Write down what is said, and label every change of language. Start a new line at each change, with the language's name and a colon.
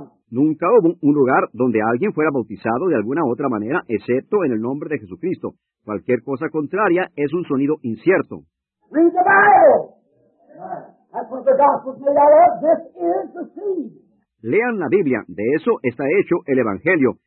Spanish: Nunca hubo un lugar donde alguien fuera bautizado de alguna otra manera, excepto en el nombre de Jesucristo. Cualquier cosa contraria es un sonido incierto.
English: Read the Bible. That's what the gospel's made out of. This is the seed.
Spanish: Lean la Biblia. De eso está hecho el Evangelio.